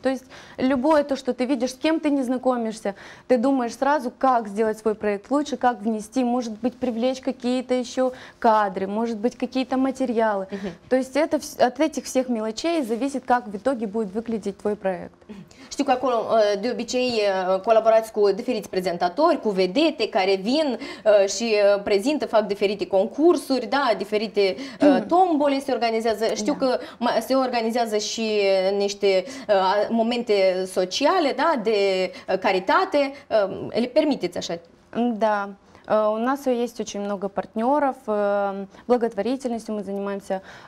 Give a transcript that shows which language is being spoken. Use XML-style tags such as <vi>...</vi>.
<ru>То есть любое то, что ты видишь, с кем ты не знакомишься, ты думаешь сразу, как сделать свой проект лучше, как внести, может быть, привлечь какие-то еще кадры, может быть, какие-то материалы. То есть это от этих всех мелочей зависит, как в итоге будет выглядеть твой проект.</ru> <ro>Știu că acolo de obicei colaborați cu diferiți prezentatori, cu vedete care vin și prezintă, fac diferite concursuri, da, diferite tombole se organizează. Știu că se organizează și niște momente sociale, da, de caritate. Le permiteți așa? Da.</ro> <ru>У нас есть очень много партнеров, благотворительностью мы занимаемся.</ru>